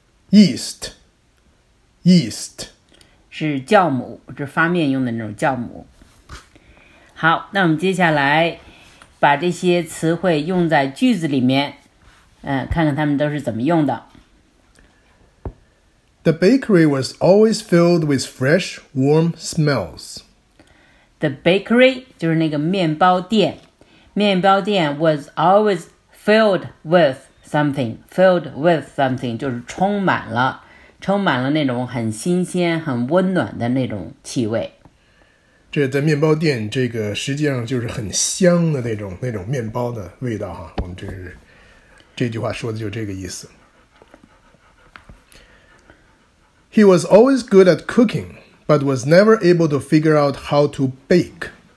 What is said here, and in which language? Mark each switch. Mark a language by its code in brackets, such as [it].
[en] Yeast Yeast [zh] 是酵母，是发面用的那种酵母。好，那我们接下来把这些词汇用在句子里面，看看他们都是怎么用的。 [en] The bakery was always filled with fresh, warm smells. The bakery [zh] 就是那个面包店，面包店 [en] was always filled with something. Filled with something [zh] 就是充满了，充满了那种很新鲜很温暖的那种气味。这在面包店这个实际上就是很香的那种面包的味道哈。我们这是这句话说的就这个意思。 [en] He was always good at cooking but was never able to figure out how to bake